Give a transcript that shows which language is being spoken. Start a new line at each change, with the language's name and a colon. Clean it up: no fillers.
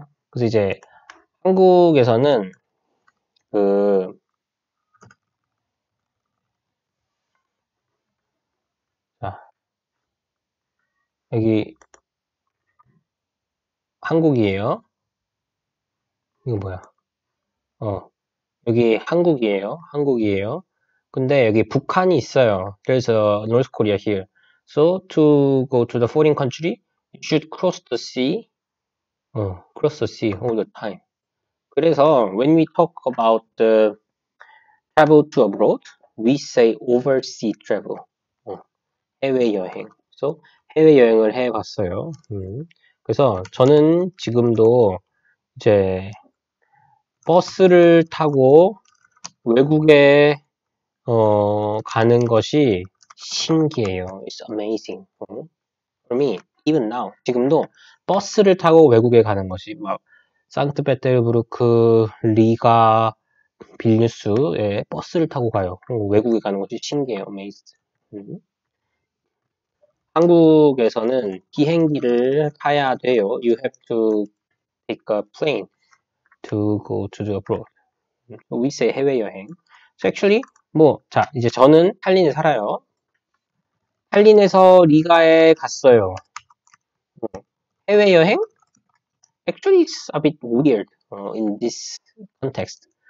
Korean: 그래서 이제 한국에서는 여기 한국이에요. 이거 뭐야? 여기 한국이에요. 한국이에요. 근데 여기 북한이 있어요. 그래서
English: North Korea here. So to go to the foreign country, you should cross the sea. Cross the sea all the time.
Korean: 그래서
English: when we talk about the travel to abroad, we say overseas travel.
Korean: 해외여행. So 해외여행을 해봤어요. 그래서 저는 지금도 이제 버스를 타고 외국에 가는 것이 신기해요.
English: It's amazing for me. Even now,
Korean: 지금도 버스를 타고 외국에 가는 것이 막 상트페테르부르크, 리가, 빌뉴스에 버스를 타고 가요. 외국에 가는 것이 신기해요.
English: Amazing.
Korean: 한국에서는 비행기를 타야 돼요.
English: You have to take a plane to go to the abroad. We say 해외여행. So actually,
Korean: 뭐, 자, 이제 저는 탈린에 살아요. 탈린에서 리가에 갔어요. 해외여행?
English: Actually, it's a bit weird in this context.